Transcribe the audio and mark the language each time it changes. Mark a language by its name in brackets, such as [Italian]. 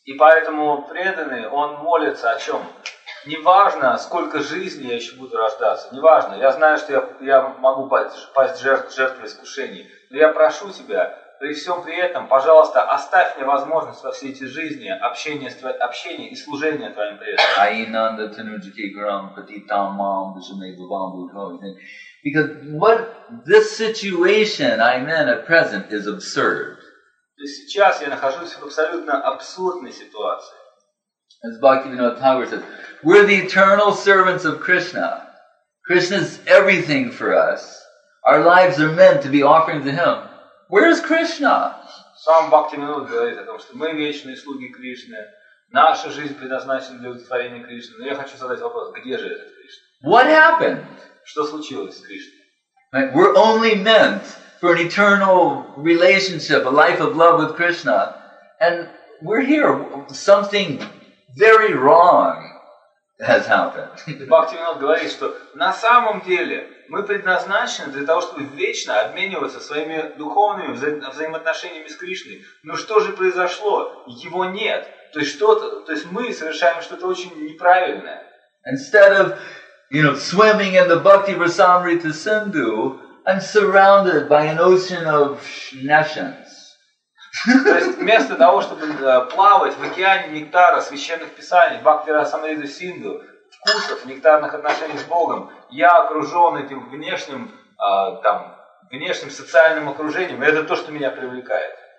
[Russian] И поэтому преданный, он молится о чем? Неважно, сколько жизней я еще буду рождаться, неважно, я знаю, что я могу пасть жертвой искушений, но я прошу тебя, при всем при этом, пожалуйста, оставь мне возможность во все эти жизни общения и служения твоим преданным. [Sanskrit] Айнанда тануджики грам патитам мам бешамей бабам бутхоми. [English] Because what this situation I'm in at present is absurd. [Russian] То есть сейчас я нахожусь в абсолютно абсурдной ситуации. [English] As Bhaktivinoda Thakur says, we're the eternal servants of Krishna. Krishna's everything for us. Our lives are meant to be offering to Him. Where is Krishna? [Russian] Сам Бхактивинода говорит о том, что мы вечные слуги Кришны. Наша жизнь предназначена для удовлетворения Кришны. Но я хочу задать вопрос, где же этот Кришна? [English] What happened? [Russian] Что случилось с Кришной? [English] Right? We're only meant for an eternal relationship, a life of love with Krishna. And we're here. Something very wrong has happened. [Russian] Бхактивинод говорит, что на самом деле мы предназначены для того, чтобы вечно обмениваться своими духовными взаимоотношениями с Кришной. Но что же произошло? Его нет. То есть что-то, то есть мы совершаем что-то очень неправильное. [English] Instead of, you know, swimming in the Bhakti Rasamrita Sindhu, I'm surrounded by an ocean of nations. [Russian] То есть вместо того, чтобы плавать в океане нектара священных писаний, Бхакти Расамрита Синдху, вкусов, нектарных отношений с Богом, я окружен этим внешним, там, внешним социальным окружением, и это то, что меня привлекает.